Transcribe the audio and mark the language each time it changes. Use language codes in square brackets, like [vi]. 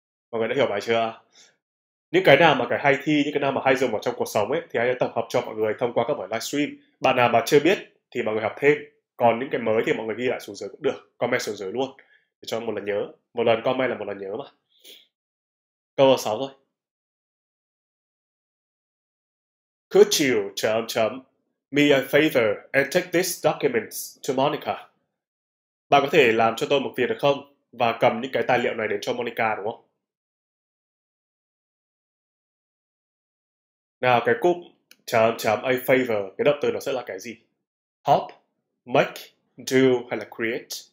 [vi] Mọi người đã hiểu bài chưa? Những cái nào mà cái hay thi, những cái nào mà hay dùng vào trong cuộc sống ấy thì anh sẽ tổng hợp cho mọi người thông qua các buổi livestream. Bạn nào mà chưa biết thì mọi người học thêm. Còn những cái mới thì mọi người ghi lại xuống dưới cũng được. Comment xuống dưới luôn. Để cho một lần nhớ. Một lần comment là một lần nhớ mà. Câu 6 thôi. [en] Could you me a favor and take this documents to Monica? [vi] Bạn có thể làm cho tôi một việc được không? Và cầm những cái tài liệu này đến cho Monica đúng không? Nào cái cụm a favor, cái động từ nó sẽ là cái gì? [en] Help, make, do [vi] hay là [en] create?